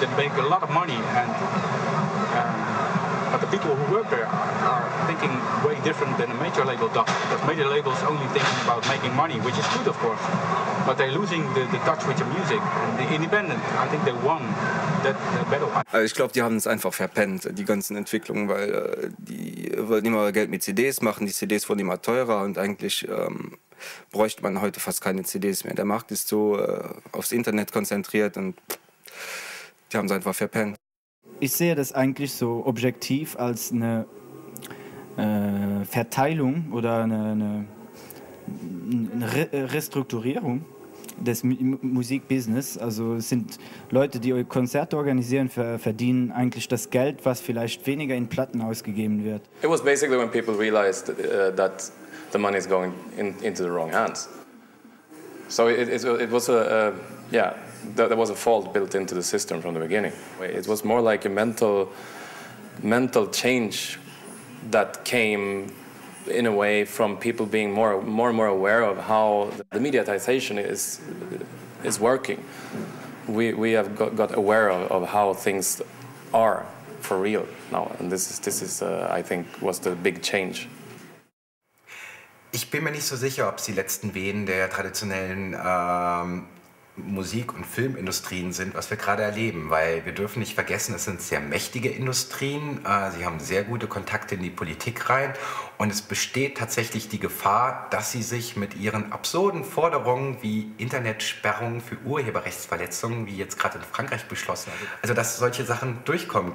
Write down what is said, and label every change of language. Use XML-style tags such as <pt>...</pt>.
<en>They make a lot of money, but the people who work there are thinking way different than a major label does. Because major labels only think about making money, which is good, of course. But they're losing the touch with the music. And the independent, I think they won that battle.</en> <de>Also ich glaube, die haben es einfach verpennt, die ganzen Entwicklungen, weil die wollten immer Geld mit CDs machen, die CDs wurden immer teurer und eigentlich bräuchte man heute fast keine CDs mehr. Der Markt ist so aufs Internet konzentriert und die haben es einfach verpennt. Ich sehe das eigentlich so objektiv als eine Verteilung oder eine Restrukturierung des Musikbusiness. Also es sind Leute, die Konzerte organisieren, verdienen eigentlich das Geld, was vielleicht weniger in Platten ausgegeben wird.</de> <en>It was basically when people realized that the money is going into the wrong hands. So it was there was a fault built into the system from the beginning. It was more like a mental change that came in a way from people being more and more aware of how the mediatization is working. We have got aware of how things are for real now, and this is I think was the big change.</en> <de>Ich bin mir nicht so sicher, ob es die letzten Wehen der traditionellen Musik- und Filmindustrien sind, was wir gerade erleben, weil wir dürfen nicht vergessen, es sind sehr mächtige Industrien, sie haben sehr gute Kontakte in die Politik rein und es besteht tatsächlich die Gefahr, dass sie sich mit ihren absurden Forderungen wie Internetsperrungen für Urheberrechtsverletzungen, wie jetzt gerade in Frankreich beschlossen, also dass solche Sachen durchkommen.</de>